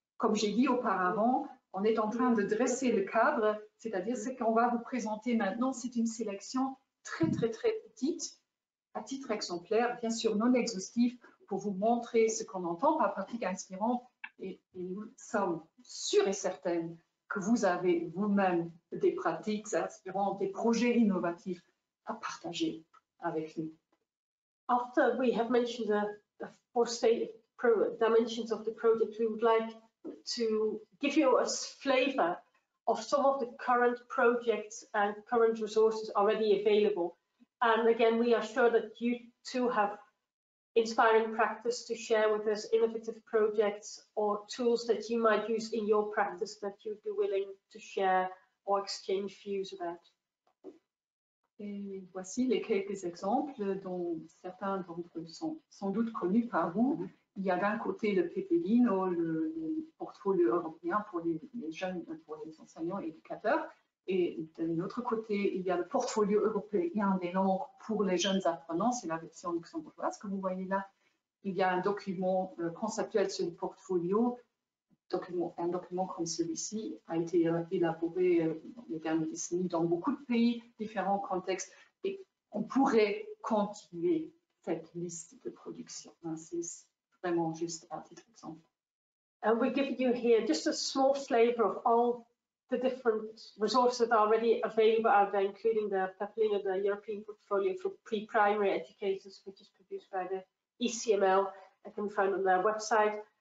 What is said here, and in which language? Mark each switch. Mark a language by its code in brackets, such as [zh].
[fr] Comme j'ai dit auparavant, on est en train de dresser le cadre, c'est-à-dire ce qu'on va vous présenter maintenant, c'est une sélection très, très, très petite, à titre exemplaire, bien sûr non exhaustif, pour vous montrer ce qu'on entend par pratique inspirante. Et nous sommes sûres et certaines que vous avez vous-même des pratiques inspirantes, des projets innovatifs à partager avec nous. [en] After we have mentioned the four state dimensions of the project, we would like to give you a flavor of some of the current projects and current resources already available. And again, we are sure that you too have inspiring practice to share with us, innovative projects or tools that you might use in your practice that you'd be willing to share or exchange views about. [fr] Et voici les quelques exemples dont certains d'entre eux sont sans doute connus par vous. Il y a d'un côté le PPLINO, le portfolio européen pour les jeunes, pour les enseignants et éducateurs. Et d'un autre côté, il y a le portfolio européen des langues pour les jeunes apprenants, c'est la version luxembourgeoise que vous voyez là. Il y a un document conceptuel sur le portfolio. Un document comme celui-ci a été élaboré dans les dernières décennies dans beaucoup de pays, différents contextes, et on pourrait continuer cette liste de production. C'est vraiment juste un petit exemple. [en] And we're giving you here just a small flavor of all the different resources that are already available out there, including the PEPLINO, the European Portfolio for Pre-Primary Educators, which is produced by the ECML, and can be found on their website.